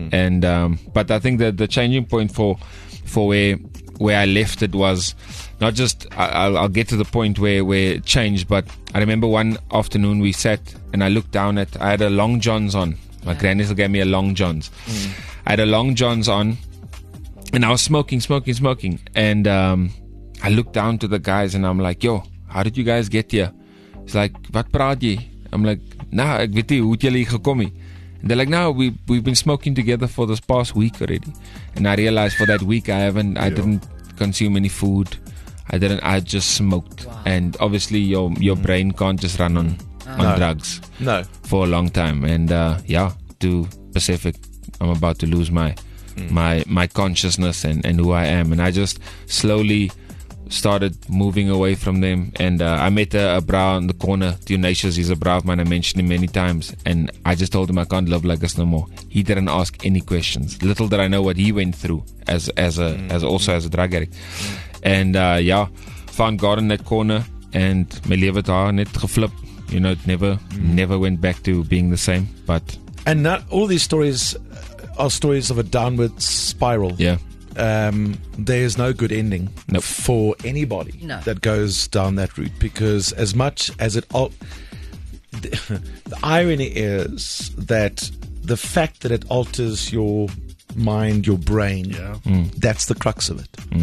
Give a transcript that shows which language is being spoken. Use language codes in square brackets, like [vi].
[en] And but I think that the changing point for where I left it was not just, I'll get to the point where it changed, but I remember one afternoon we sat and I looked down at, I had a Long John's on. My granny still gave me a Long John's. I had a Long John's on. And I was smoking. And I looked down to the guys and I'm like, "Yo, how did you guys get here?" He's like, [af] "Wat praat jy?" [en] I'm like, [af] "Nah, ek weet nie, hoe het julle hier gekom nie?" [en] And they're like, "No, we've been smoking together for this past week already." And I realized for that week I didn't consume any food. I just smoked. Wow. And obviously your brain can't just run on drugs. No. For a long time. And to Pacific, I'm about to lose my consciousness and who I am. And I just slowly started moving away from them. And I met a bra on the corner, Dionysius. He's a bra of mine. I mentioned him many times. And I just told him, I can't love like this no more. He didn't ask any questions. Little did I know what he went through as a drug addict. And found God in that corner. And my [af] lewe het haar net geflip. [en] You know, it never went back to being the same. But and not all these stories are stories of a downward spiral. Yeah. There is no good ending. Nope. For anybody that goes down that route, because as much as it all, the irony is that the fact that it alters your mind, your brain, that's the crux of it. Mm.